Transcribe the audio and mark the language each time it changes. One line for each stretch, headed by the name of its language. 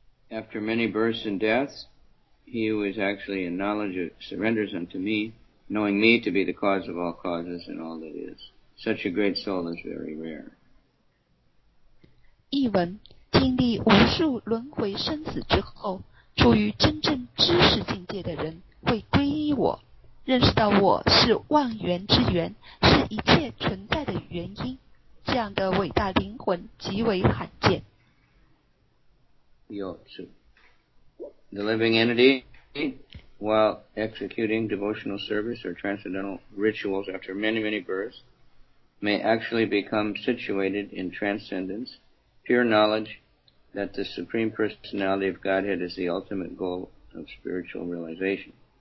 English: After many births and deaths, he who is actually in knowledge of, surrenders unto me, knowing me to be the cause of all causes and all that is. Such a great soul is very rare.
Chinese: 译文, 经历无数轮回生死之后, 处于真正知识境界的人, 会归依我。认识到我是万缘之缘, 是一切存在的原因, 这样的伟大灵魂极为罕见. Yotsu.
English: The living entity, while executing devotional service or transcendental rituals after many, many births, may actually become situated in transcendence, pure knowledge that the Supreme Personality of Godhead is the ultimate goal of spiritual realization.